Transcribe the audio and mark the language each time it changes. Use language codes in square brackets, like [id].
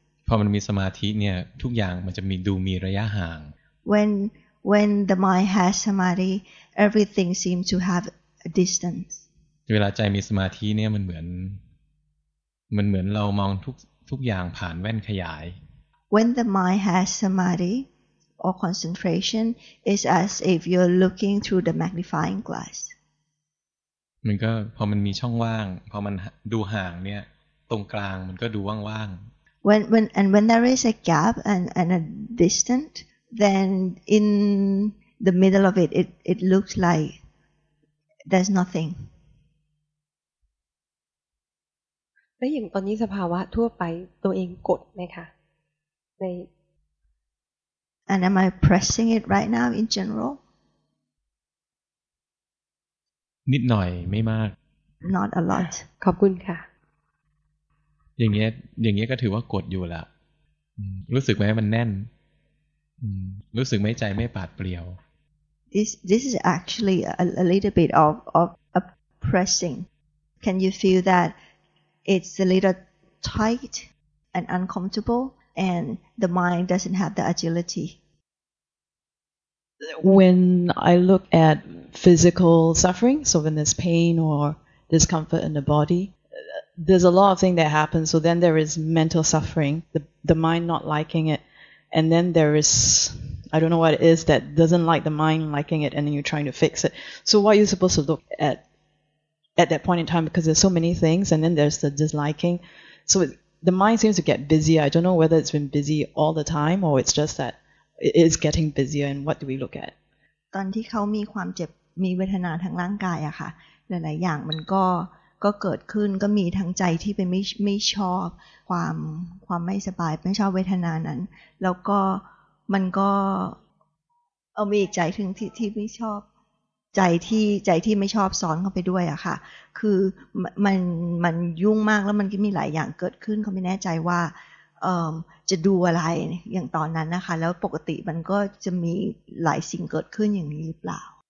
[th] พอมันมีสมาธิเนี่ยทุกอย่างมันจะมีดูมีระยะห่าง [en] when the mind has samadhi everything seems to have a distance [th] เวลาใจมีสมาธิเนี่ยมันเหมือนเรามองทุกอย่างผ่านแว่นขยาย [en] When the mind has samadhi or concentration is as if you're looking through the magnifying glass [th] มันก็พอมันมีช่องว่างพอมันดูห่างเนี่ยตรงกลางมันก็ดูว่าง [en] ๆ When there is a gap and a distant then in the middle of it looks like there's nothing [th] แล้วอย่างตอนนี้สภาวะทั่วไปตัวเองกดไหมคะใน [en] And am I pressing it right now in general? [th] นิดหน่อยไม่มาก [en] Not a lot. [th] ขอบคุณค่ะ อย่างเงี้ยก็ถือว่ากดอยู่ละรู้สึกไหมมันแน่นรู้สึกไหมใจไม่ปาดเปรียว [en] This is actually a little bit of a pressing. Can you feel that? It's a little tight and uncomfortable, and the mind doesn't have the agility. When I look at physical suffering, so when there's pain or discomfort in the body, there's a lot of things that happen. So then there is mental suffering, the mind not liking it. And then there is, I don't know what it is that doesn't like the mind liking it, and then you're trying to fix it. So what are you supposed to look at? At that point in time, because there's so many things, and then there's the disliking, so the mind seems to get busier. I don't know whether it's been busy all the time or it's just that it is getting busier. And what do we look at? [th] ตอนที่เขามีความเจ็บมีเวทนาทางร่างกายอะค่ะหลายๆอย่างมันก็เกิดขึ้นก็มีทั้งใจที่เป็นไม่ชอบความไม่สบายไม่ชอบเวทนานั้นแล้วก็มันก็ เอามีใจถึงที่ไม่ชอบใจที่ไม่ชอบซ้อนเข้าไปด้วยอะค่ะคือมันยุ่งมากแล้วมันก็มีหลายอย่างเกิดขึ้นเขาไม่แน่ใจว่าจะดูอะไรอย่างตอนนั้นนะคะแล้วปกติมันก็จะมีหลายสิ่งเกิดขึ้นอย่างนี้หรือเปล่า